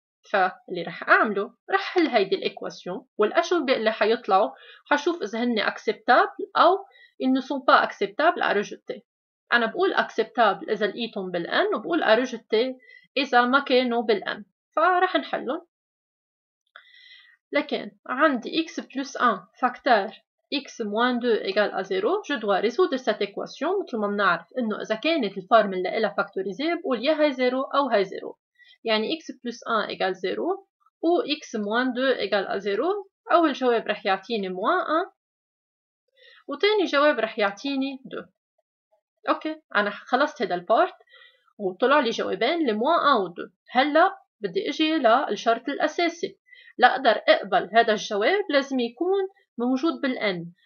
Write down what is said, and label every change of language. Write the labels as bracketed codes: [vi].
[ar] فاللي رح أعمله رح حل هيدي الإكواسيون والأجوبة اللي حيطلعوا حشوف إذا هن أكسبتابل أو إنه [fr] سون با أكسبتابل أرجوتي. [ar] أنا بقول acceptable إذا لقيتهم بالN وبقول rejected إذا ما كانوا بالN. فرح نحلهم. لكن عندي x plus 1 فاكتور [fr] x moins 2 [ar] إيجال à 0. [fr] Je dois résoudre cette équation. [ar] مثل ما بنعرف إنه إذا كانت الفارم اللي إلها فاكتوريزي بقول يا هاي 0 أو هاي 0. يعني x plus 1 إيجال 0 و x moins 2 إيجال à 0. أول جواب رح يعطيني [fr] moins 1 [ar] وتاني جواب رح يعطيني 2. اوكي انا خلصت هذا البارت وطلع لي جوابين [fr] لموا او دو. [ar] هلا بدي اجي للشرط الاساسي لاقدر اقبل هذا الجواب لازم يكون موجود بالان.